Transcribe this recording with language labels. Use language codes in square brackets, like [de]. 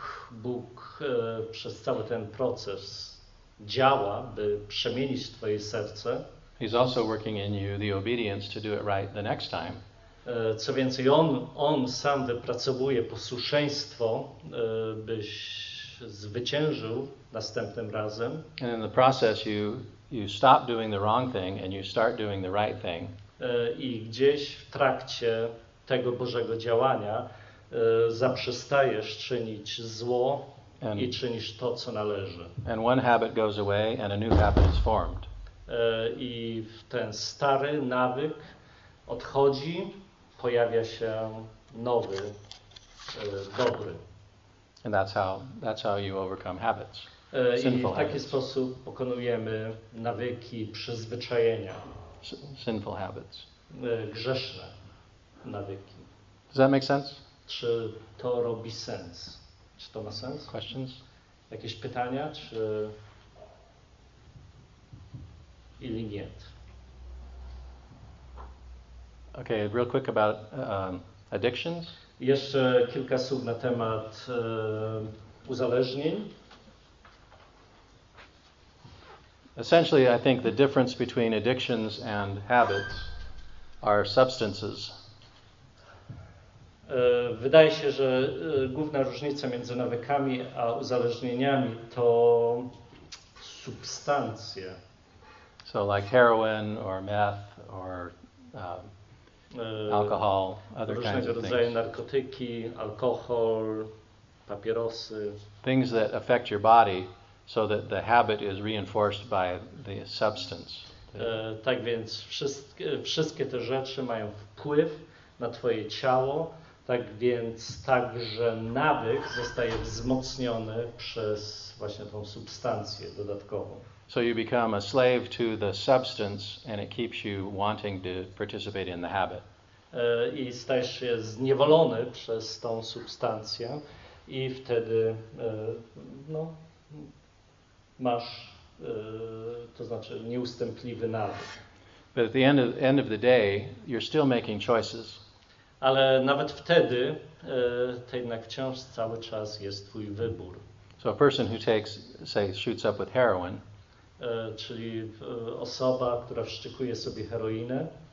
[pl] Bóg przez cały ten proces działa, by przemienić twoje serce. [en] He's also working in you the obedience to do it right the next time. [pl] Co więcej, on sam wypracowuje posłuszeństwo, byś zwyciężył następnym razem. [en] And in the process you stop doing the wrong thing and you start doing the right thing. [pl] I gdzieś w trakcie tego Bożego działania zaprzestajesz czynić zło i czynisz to, co należy. [en] And one habit goes away and a new habit is formed. [pl] I ten stary nawyk odchodzi, pojawia się nowy, dobry. [en] And that's how you overcome habits. [pl] I w taki sposób pokonujemy nawyki, przyzwyczajenia. [en] Sinful habits. [pl] Grzeszne nawyki. [en] Does that make sense? [pl] Czy to robi sens? Czy to ma sens? [en] Questions? [pl] Jakieś pytania, czy... Ili nie? [en] Okay, real quick about addictions. [pl] Jeszcze kilka słów na temat uzależnień. [en] Essentially, I think the difference between addictions and habits are substances. [pl] Wydaje się, że główna różnica między nawykami a uzależnieniami to substancje. [en] So like heroin or meth or alcohol, other kinds of things. [pl] Różnego rodzaju narkotyki, alkohol, papierosy. [en] Things that affect your body so that the habit is reinforced by the substance. [pl] Tak więc wszystkie te rzeczy mają wpływ na twoje ciało, tak więc także nawyk zostaje wzmocniony przez właśnie tą substancję dodatkową. [en] So you become a slave to the substance and it keeps you wanting to participate in the habit. [pl] I stajesz się zniewolony przez tą substancję i wtedy no, masz to znaczy nieustępliwy nawyk. [en] But at the end of the day, you're still making choices. [pl] Ale nawet wtedy to jednak wciąż cały czas jest twój wybór. [en] So a person who takes, say, shoots up with heroin, [pl] czyli osoba, która wstrzykuje sobie heroinę,